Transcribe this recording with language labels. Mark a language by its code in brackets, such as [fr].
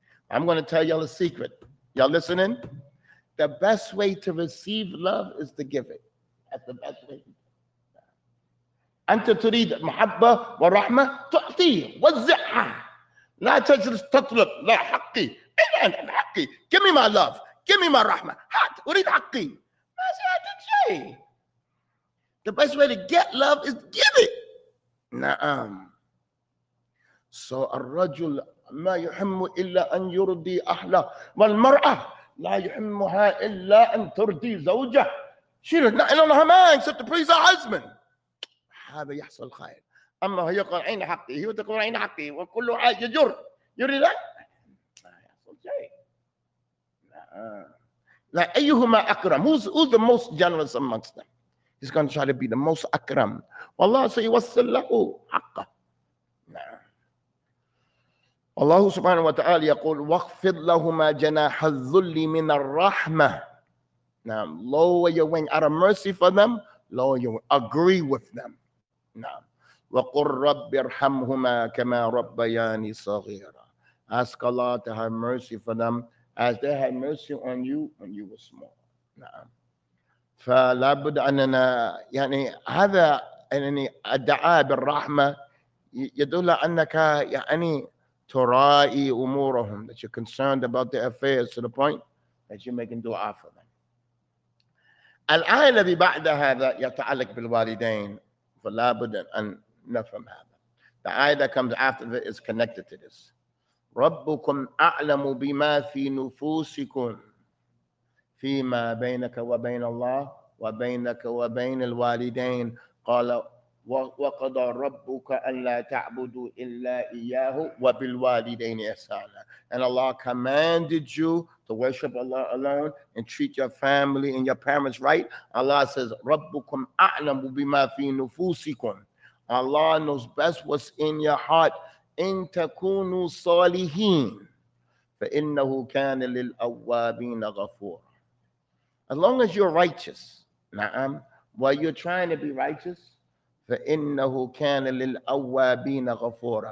[en] I'm going to tell y'all a secret. Y'all listening? The best way to receive love is to give it. That's the best way. [ar] أنت تريد محبة ورحمة تعطي وزعها. لا تجلس تطلب لا حقي. أين أنا حقي؟ [en] Give me my love. Give me my [ar] رحمة. هات أريد حقي. ما سيعطيك شيء. [en] The best way to get love is give it. [ar] نعم. So الرجل ما يهم إلا أن يرضي أهله. والمرأة لا يهمها إلا أن ترضي زوجها. [en] She does not know her man except to please her husband. [ar] هذا يحصل خير. أما هي يقول عين حقي, هي تقول عين حقي, وكل عاج يجر يريد لا يحصل شيء. لا أيهما أكرم, [en] who's the most generous amongst them, he's going to try to be the most [ar] أكرم, والله سيوصل له حقه. الله سبحانه وتعالى يقول واخفض لهما جناح الذل من الرحمة. نعم. [en] Lower your wing out of mercy for them, lower your wing, agree with them. [ar] نعم. وقل رب ارحمهما كما ربياني صغيرا. [en] Ask Allah to have mercy for them as they had mercy on you when you were small. [ar] نعم. فلابد أننا يعني هذا يعني الدعاء بالرحمة يدل أنك يعني ترائي أمورهم, [en] that you're concerned about their affairs to the point that you're making dua for them. [ar] الآية الذي بعد هذا يتعلق بالوالدين, فلا بد أن نفهم هذا. [en] The ayah that comes after it is connected to this. [ar] ربكم أعلم بما في نفوسكم فيما بينك وبين الله وبينك وبين الوالدين قال وقضى ربك ألا تعبدوا إلا إياه وبالوالدين إحسانا. [en] And Allah commanded you to worship Allah alone and treat your family and your parents right. Allah says, [ar] ربكم أعلم بما في نفوسكم. [en] Allah knows best what's in your heart. [ar] إن تكونوا صالحين فإنه كان للأوابين غفورا. [en] As long as you're righteous, نعم, while you're trying to be righteous, [ar] فإنه كان للأوابين غفورا.